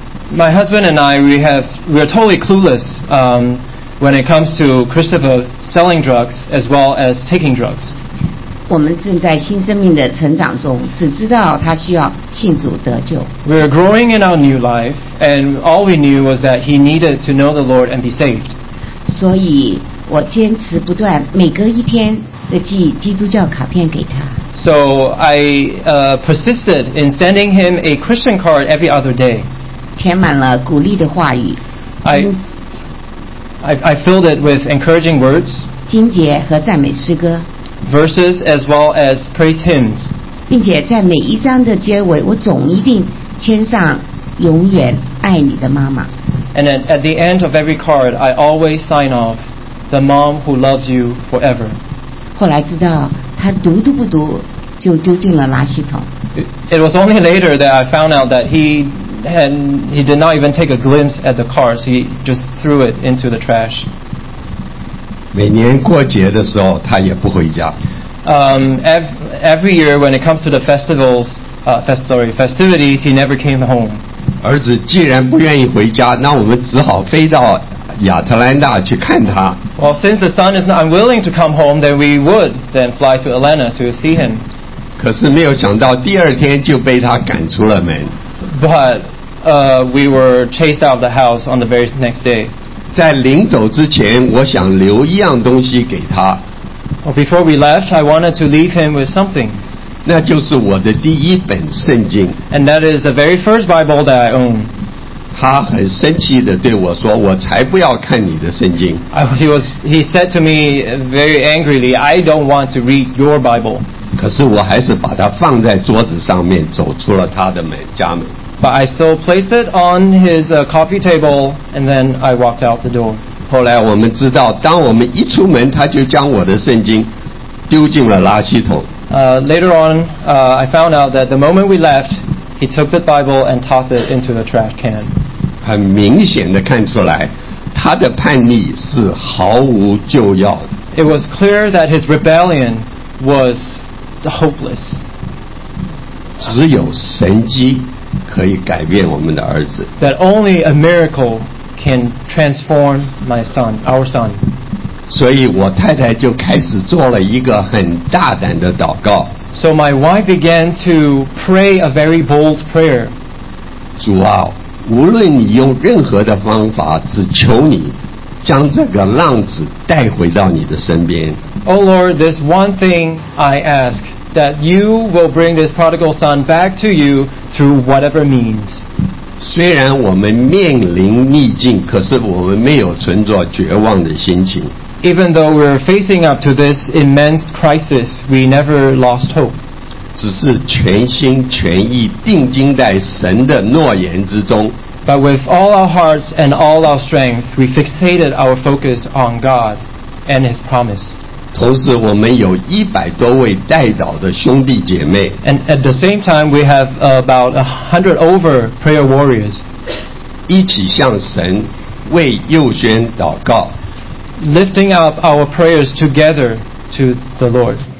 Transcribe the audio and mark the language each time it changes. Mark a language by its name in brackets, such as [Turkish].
[English] My husband and I, we're totally clueless, when it comes to Christopher selling drugs as well as taking drugs. [Chinese] 我们正在新生命的成长中，只知道他需要信主得救。 [English] We're growing in our new life, and all we knew was that he needed to know the Lord and be saved. [Chinese] 所以我坚持不断，每隔一天的寄基督教卡片给他。 [English] So I persisted in sending him a Christian card every other day. [Chinese] 填满了鼓励的话语。 [English] I filled it with encouraging words. [Chinese] 经节和赞美诗歌。 [English] Verses as well as praise hymns. [Chinese] 并且在每一章的结尾，我总一定签上永远爱你的妈妈。 [English] And at the end of every card, I always sign off the mom who loves you forever. [Chinese] 后来知道他读都不读就丢进了垃圾桶。 [English] It was only later that I found out that he did not even take a glimpse at the cards. He just threw it into the trash. [Chinese] 每年过节的时候，他也不回家。 [English] Every year when it comes to the festivals, festivities, he never came home. [Chinese] 儿子既然不愿意回家，那我们只好飞到亚特兰大去看他。 [English] Well, since the son is not unwilling to come home, then we would then fly to Atlanta to see him. [Chinese] 可是没有想到，第二天就被他赶出了门。 [English] But we were chased out of the house on the very next day. [Chinese] 在临走之前，我想留一样东西给他。 [English] Well, before we left, I wanted to leave him with something. [Chinese] 那就是我的第一本圣经。 [English] And that is the very first Bible that I own. [Chinese] 他很生气地对我说，我才不要看你的圣经。 [English] He said to me very angrily, I don't want to read your Bible. [Chinese] 可是我还是把它放在桌子上面，走出了他的门家门。 [English] But I still placed it on his coffee table, and then I walked out the door. [Chinese] 后来我们知道，当我们一出门，他就将我的圣经丢进了垃圾桶。 [English] Later on, I found out that the moment we left, he took the Bible and tossed it into the trash can. [Chinese] 很明显的看出来，他的叛逆是毫无救药的。 [English] It was clear that his rebellion was. The hopeless. [Chinese] 只有神迹可以改变我们的儿子。 [English] That only a miracle can transform my son, our son. [Chinese] 所以我太太就开始做了一个很大胆的祷告。 [English] So my wife began to pray a very bold prayer. [Chinese] 主啊，无论你用任何的方法，只求你将这个浪子带回到你的身边。 [English] Oh Lord, this one thing I ask, that you will bring this prodigal son back to you through whatever means. [Chinese] 虽然我们面临逆境，可是我们没有存着绝望的心情。 [English] Even though we're facing up to this immense crisis, we never lost hope. [Chinese] 只是全心全意定睛在神的诺言之中。 [English] But with all our hearts and all our strength, we fixated our focus on God and His promise. [Chinese] 同时我们有一百多位代祷的兄弟姐妹。 [English] And at the same time, we have about 100 over prayer warriors. [Chinese] 一起向神为佑轩祷告。 [English] Lifting up our prayers together to the Lord.